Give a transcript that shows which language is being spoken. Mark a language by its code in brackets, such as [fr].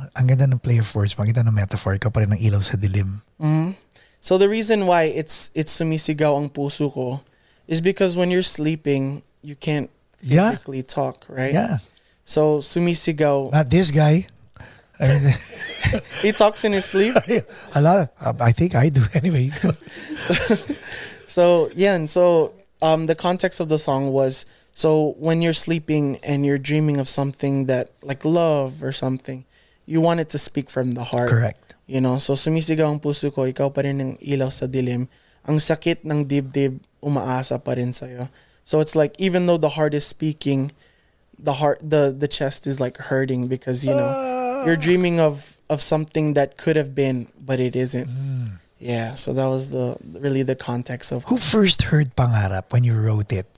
[tl] Ang ganda ng [en] play of words, [tl] ang ganda ng metaphor, ikaw pa rin ang iraw sa dilim. Mm-hmm. [en] So, the reason why it's [tl] sumisigaw ang puso ko [en] is because when you're sleeping, you can't physically talk, right? Yeah. So, sumisigaw. Not this guy. He talks in his sleep? A lot. I think I do anyway. So the context of the song was, so when you're sleeping and you're dreaming of something that, like love or something, you want it to speak from the heart. Correct. You know, so [tl] sumisigaw ang puso ko, ikaw pa rin ang ilaw sa dilim, ang sakit ng dibdib, umaasa pa rin sa'yo. [en] So it's like, even though the heart is speaking, the heart, the chest is like hurting because, you know, you're dreaming of something that could have been, but it isn't. Mm. Yeah, so that was really the context of who first heard Pangarap when you wrote it.